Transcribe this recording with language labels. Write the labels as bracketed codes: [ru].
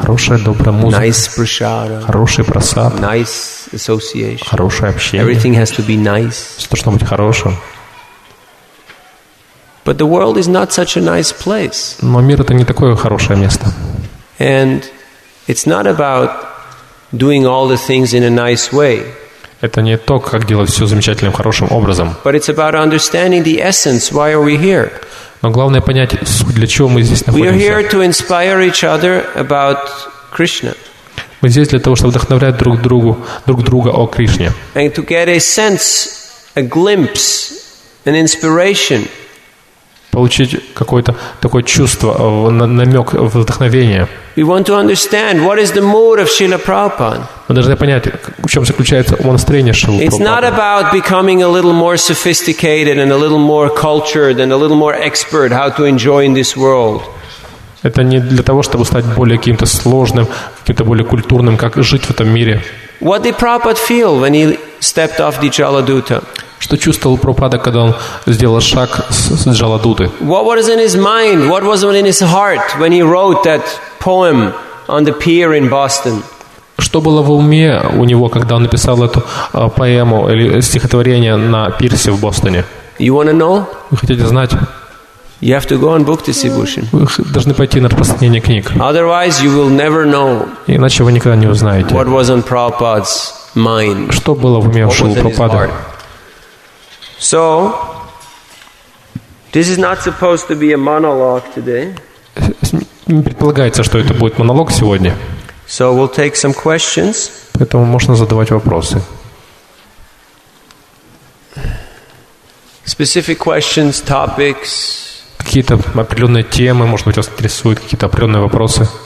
[ru] Хорошая, добрая музыка. [en] Nice prasada. [ru] Хороший прасад. [en] Nice association. [ru] Хорошее общение. [en] Everything has to be nice. [ru] Все должно быть хорошим. [en] But the world is not such a nice place. [ru] Но мир это не такое хорошее место. [en] And it's not about doing all the things in a nice way. [ru] Это не то, как делать все замечательным, хорошим образом. [en] But it's about understanding the essence. Why are we here? [ru] Но главное понять, для чего мы здесь находимся. [en] We are here to inspire each other about Krishna. [ru] Мы здесь для того, чтобы вдохновлять друг друга о Кришне. [en] And to get a sense, a glimpse, an inspiration. [ru] Получить какое-то такое чувство, намек, вдохновение. [en] We want to understand what is the mood of Srila Prabhupada. [ru] Мы должны понять, в чем заключается ум настроения Шрилы Прабхупады. [en] It's not about becoming a little more sophisticated and a little more cultured and a little more expert how to enjoy in this world. [ru] Это не для того, чтобы стать более каким-то сложным, каким-то более культурным, как жить в этом мире. [en] What did Prabhupada feel when he stepped off the Jaladuta? [ru] Что чувствовал Прабхупада, когда он сделал шаг с Джаладуты? [en] What was in his mind? What was in his heart when he wrote that poem on the pier in Boston? [ru] Что было в уме у него, когда он написал эту поэму или стихотворение на пирсе в Бостоне? [en] You want to know? [ru] Вы хотите знать? [en] You have to go on book distribution. [ru] Вы должны пойти на распространение книг. [en] Otherwise, you will never know. [ru] Иначе вы никогда не узнаете. [en] What was on Prabhupada's mind? [ru] Что было в уме у Прабхупады? [en] So, this is not supposed to be a monologue today. [ru] Не предполагается, что это будет монолог сегодня. [en] So we'll take some questions. [ru] Поэтому можно задавать вопросы. [en] Specific questions, topics. [ru] Какие-то определенные темы, может быть, вас интересуют какие-то определенные вопросы.